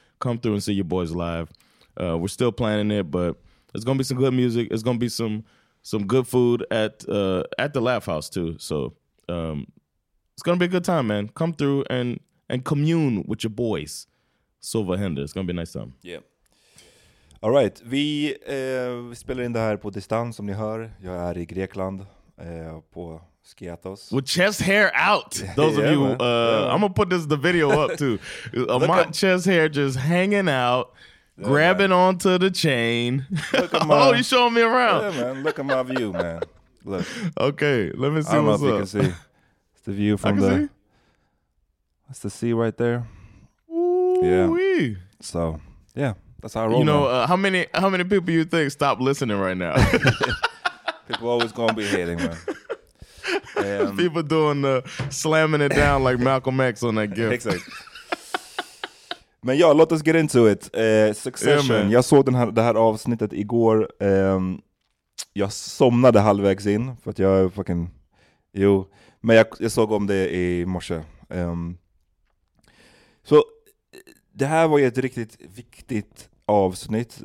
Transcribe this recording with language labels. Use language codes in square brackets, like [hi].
[en] Come through and see your boys live. We're still planning it, but it's going to be some good music. It's going to be some good food at the Laugh House, too. So it's going to be a good time, man. Come through and commune with your boys. Sylvehända. It's going to be a nice time. Yeah. All right. [sv] Vi spelar in det här på distans, som ni hör. Jag är i Grekland på Skiathos. [en] With chest hair out. Those of you, I'm going to put the video up, too. My chest hair just hanging out. Yeah, grabbing man. Onto the chain. Oh, you showing me around. Yeah, man. Look at my view, man. Look. Okay, let me see what's up. I don't know if you can see. It's the view from the... That's the sea right there. Ooh-wee. Yeah. So, Yeah, that's how I roll. You know, how many people you think stop listening right now? People always gonna be hating, man. People doing the slamming it down like Malcolm X on that gift. [sv] Men ja, låt oss [en] get into it. Succession. [sv] Yeah, jag såg det här avsnittet igår. Jag somnade halvvägs in för att jag är fucking... Jo, men jag såg om det i morse. Så det här var ju ett riktigt viktigt avsnitt.